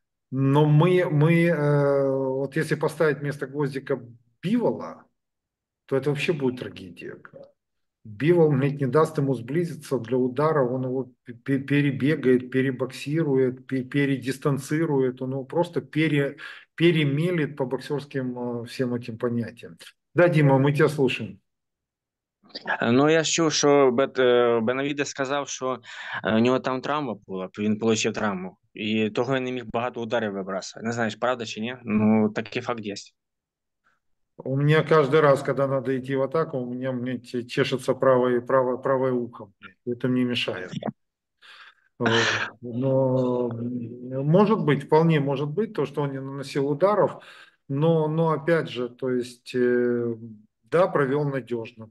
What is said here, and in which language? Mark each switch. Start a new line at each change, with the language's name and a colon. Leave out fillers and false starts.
Russian: Но вот если поставить вместо Гвоздика Бивола, то это вообще будет трагедия. Бивол ведь не даст ему сблизиться для удара, он его перебегает, перебоксирует, передистанцирует, он его просто перемелит по боксерским всем этим понятиям. Да, Дима, мы тебя слушаем.
Ukrainian: Ну, я чув, що Бенавідес сказав, що у нього там травма була, він отримав травму, і того він не міг багато ударів вибрасувати. Не знаєш, правда чи ні? Ну, такий факт є.
Russian: У меня каждый раз, когда надо идти в атаку, у меня чешется правое ухо. Это мне мешает. Но может быть, вполне может быть, то, что он не наносил ударов. Но опять же, то есть, да, провел надежно.